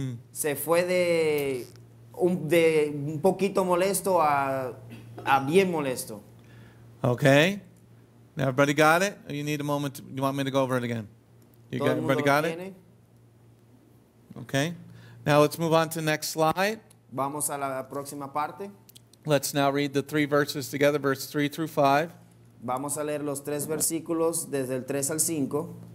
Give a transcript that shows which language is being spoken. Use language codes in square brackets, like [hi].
[es] Se fue de un poquito molesto a bien molesto. [en] Okay. Now everybody got it? You need a moment. You want me to go over it again? You got everybody got it? Okay. Now let's move on to the next slide. [es] Vamos a la próxima parte. [en] Let's now read the 3 verses together, verse 3 through 5. [es] Vamos a leer los 3 versículos desde el 3 al 5.